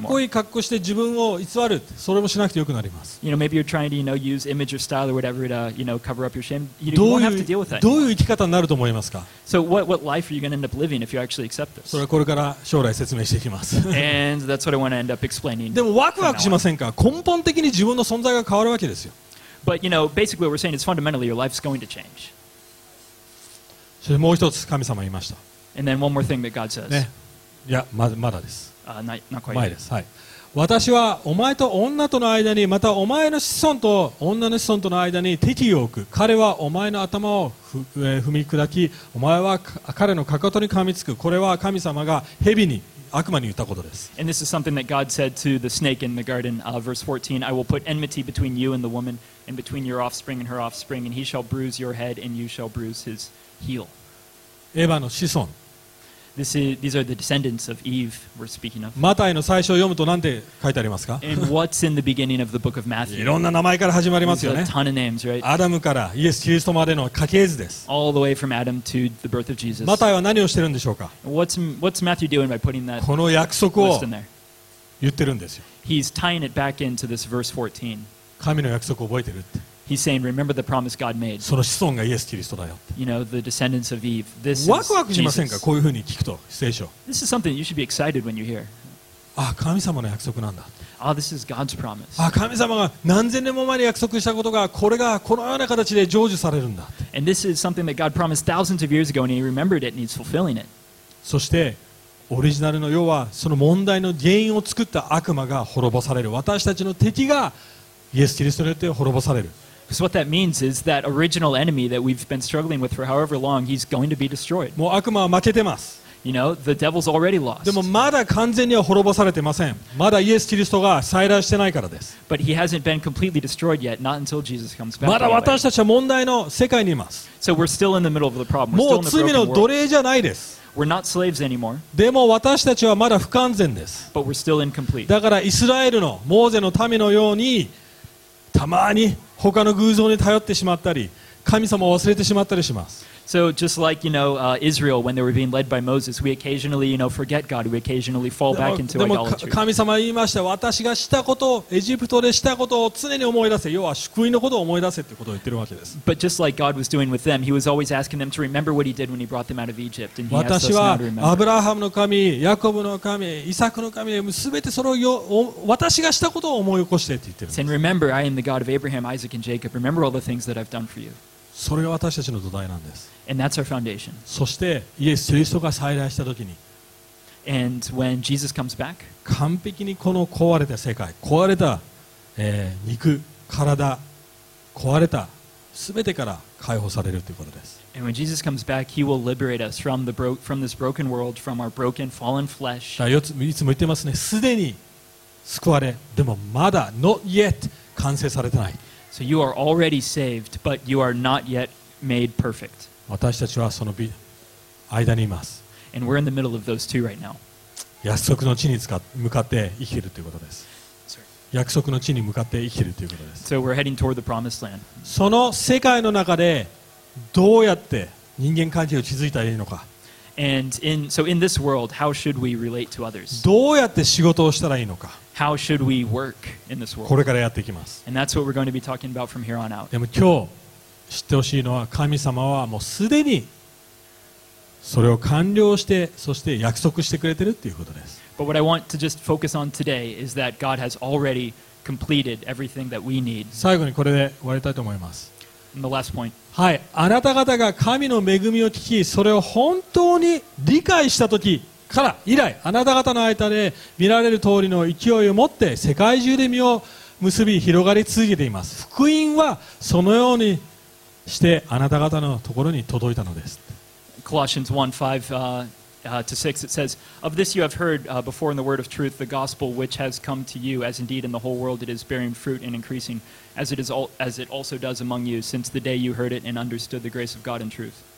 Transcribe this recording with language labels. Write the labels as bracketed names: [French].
[Japanese] かっこいい格好して自分を偽る、それもしなくてよくなります。 [English] You know, maybe you're trying to, you know, use image or style or whatever to, you know, cover up your shame. You won't have to deal with that. [Japanese] どういう生き方になると思いますか? [English] So what life are you going to end up living if you actually accept this? [Japanese] それはこれから将来説明していきます。 [English] And that's what I want to end up explaining. [Japanese] でもワクワクしませんか?根本的に自分の存在が変わるわけですよ。 [English] But you know, basically what we're saying is fundamentally your life's going to change. [Japanese] それもう一つ神様言いました。 [English] And then one more thing that God says. [Japanese] ね、や、まだです。 [English] Not quite [Japanese] 前です。はい。私はお前と女との間に、またお前の子孫と女の子孫との間に敵を置く。彼はお前の頭を踏み砕き、お前は彼のかかとに噛みつく。これは神様が蛇に、悪魔に言ったことです。 [English] And this is something that God said to the snake in the garden, verse 14, I will put enmity between you and the woman, and between your offspring and her offspring, and he shall bruise your head, and you shall bruise his heel. [Japanese] エヴァの子孫。 [English] These are the descendants of Eve we're speaking of. [Japanese] マタイの最初を読むと何て書いてありますか? [English] And what's in the beginning of the book of Matthew? [Japanese] いろんな名前から始まりますよね。 [English] There's a ton of names, right? [Japanese] アダムからイエス・キリストまでの家系図です。 [English] All the way from Adam to the birth of Jesus. [Japanese] マタイは何をしてるんでしょうか? [English] What's Matthew doing by putting that? [Japanese] この約束を言ってるんですよ。 [English] He's tying it back into this verse 14. [Japanese] 神の約束を覚えてるって。 [English] He's saying, remember the promise God made. [Japanese] その子孫がイエス・キリストだよ。 [English] You know, the descendants of Eve. This is [Japanese] Jesus. ワクワクしませんか? こういうふうに聞くと、聖書。 [English] This is something you should be excited when you hear. [Japanese] あ、神様の約束なんだ。 [English] Oh, this is God's promise. [Japanese] あ、神様が何千年も前に約束したことが、これがこのような形で成就されるんだ。 [English] And this is something that God promised thousands of years ago, and he remembered it, and he's fulfilling it. [Japanese] そして、オリジナルの要は、その問題の原因を作った悪魔が滅ぼされる。私たちの敵がイエス・キリストによって滅ぼされる。 [English] So what that means is that original enemy that we've been struggling with for however long, he's going to be destroyed. [Japanese] もう悪魔は負けてます。 [English] You know, the devil's already lost. [Japanese] でもまだ完全には滅ぼされてません。まだイエス・キリストが再来してないからです。 [English] But he hasn't been completely destroyed yet, not until Jesus comes back. [Japanese] まだ私たちは問題の世界にいます。 [English] So we're still in the middle of the problem. [Japanese] もう罪の奴隷じゃないです。 [English] We're not slaves anymore. [Japanese] でも私たちはまだ不完全です。 [English] But we're still incomplete. [Japanese] だからイスラエルのモーゼの民のようにたまに他の偶像に頼ってしまったり、神様を忘れてしまったりします。 [English] So just like, you know, Israel, when they were being led by Moses, we occasionally, you know, forget God. We occasionally fall back into idolatry. [Japanese] でも神様は言いました。私がしたことを、エジプトでしたことを常に思い出せ。要は救いのことを思い出せってことを言ってるわけです。 [English] But just like God was doing with them, he was always asking them to remember what he did when he brought them out of Egypt. And he asked us now to remember. [Japanese] 私はアブラハムの神、ヤコブの神、イサクの神、全てそれを私がしたことを思い起こしてって言ってるんです。 [English] And remember, I am the God of Abraham, Isaac, and Jacob. Remember all the things that I've done for you. [Japanese] それが私たちの土台なんです。 [English] And that's our foundation. [Japanese] そしてイエス・キリストが再来したときに、 [English] And when Jesus comes back, [Japanese] 完璧にこの壊れた世界、壊れた、肉、体、壊れた全てから解放されるということです。 [English] And when Jesus comes back, he will liberate us from this broken world, from our broken, fallen flesh. [Japanese] だよ、いつも言ってますね。すでに救われ、でもまだ [English] not yet [Japanese] 完成されてない。 [English] So you are already saved, but you are not yet made perfect. [Japanese] 私たちはその間にいます。 [English] And we're in the middle of those two right now. [Japanese] 約束の地に向かって生きているということです。 [English] Sorry. [Japanese] 約束の地に向かって生きているということです。 [English] So we're heading toward the promised land. [Japanese] その世界の中でどうやって人間関係を築いたらいいのか。 [English] And in this world, how should we relate to others? [Japanese] どうやって仕事をしたらいいのか。 [English] How should we work in this world? [Japanese] これからやっていきます。 [English] And that's what we're going to be talking about from here on out. [Japanese] でも今日知ってほしいのは、神様はもうすでにそれを完了して、そして約束してくれてるっていうことです。 [English] But what I want to just focus on today is that God has already completed everything that we need. [Japanese] 最後にこれで終わりたいと思います。 [English] And the last point. [Japanese] はい、あなた方が神の恵みを聞き、それを本当に理解したとき。から以来あなた方の間で見られる通りの勢いを持って世界中で実を結び広がり続けています。福音はそのようにしてあなた方のところに届いたのです。 [English] Colossians 1:5-6 it says, Of this you have heard before in the word of truth, the gospel which has come to you, as indeed in the whole world it is bearing fruit and increasing, as it also does among you, since the day you heard it and understood the grace of God and truth.